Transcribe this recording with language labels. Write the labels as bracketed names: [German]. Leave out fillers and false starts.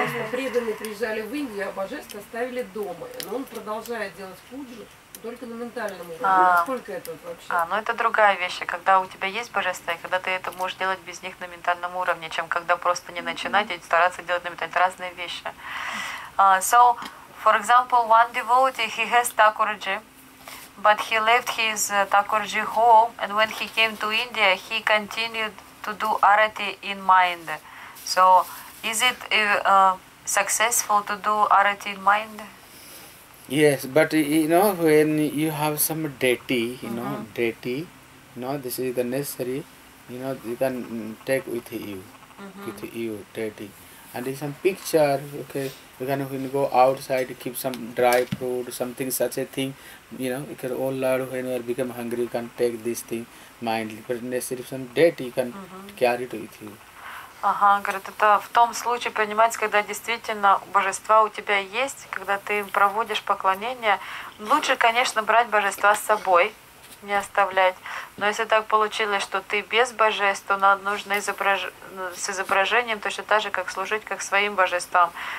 [Russian] Преданные приезжали в Индию, а божество оставили дома, но он продолжает делать пуджу. Только на ментальном уровне. Насколько это вообще? А, ну это другая вещь, когда у тебя есть божество, и когда ты это можешь делать без них на ментальном уровне, чем когда просто не начинать и стараться делать на ментальном уровне. Это разные вещи. [English] So, for example, one devotee, he has Thakurji, but he left his Thakurji home, and when he came to India, he continued to do arati in mind. So, is it successful to do arati in mind? Yes, but you know, when you have some deity, you know, deity, you know, this is the necessary, you know, you can take with you, with you, deity. And in some picture, okay, you can even go outside, keep some dry food, something, such a thing, you know, because, oh Lord, when you become hungry, you can take this thing mindly. But necessary, some deity, you can carry it with you. [Russian] Ага, говорит, это в том случае принимается, когда действительно божества у тебя есть, когда ты им проводишь поклонение. Лучше, конечно, брать божества с собой, не оставлять. Но если так получилось, что ты без божеств, то нам нужно с изображением точно так же, как служить, как своим божествам.